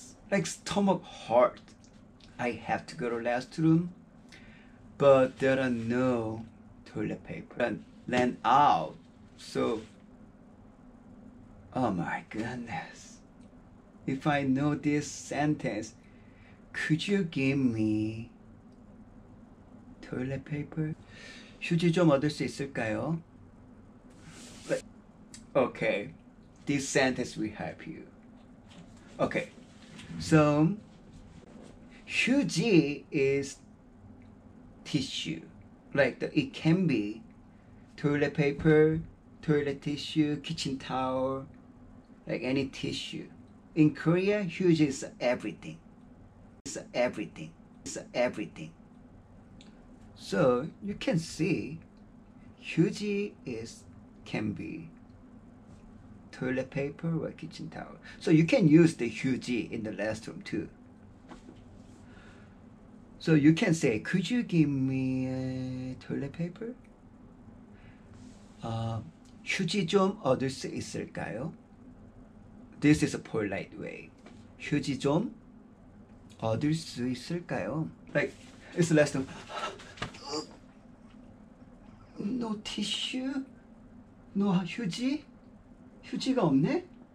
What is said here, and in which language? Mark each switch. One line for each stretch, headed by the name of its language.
English: Like stomach hurt, I have to go to restroom, but there are no toilet paper and ran out. So, oh my goodness! If I know this sentence, could you give me toilet paper?
Korean: 휴지 좀 얻을 수 있을까요?
English: Okay, this sentence will help you. Okay. So, 휴지 is tissue. Like, it can be toilet paper, toilet tissue, kitchen towel, like any tissue. In Korea, 휴지 is everything. It's everything. It's everything. So, you can see, 휴지 can be toilet paper or kitchen towel. So you can use the 휴지 in the restroom too. So you can say, could you give me toilet paper?
Korean: 휴지 좀 얻을 수 있을까요?
English: This is a polite way.
Korean: 휴지 좀 얻을 수 있을까요?
English: Like, it's the restroom. No tissue? No 휴지?
Korean: 휴지가 없네?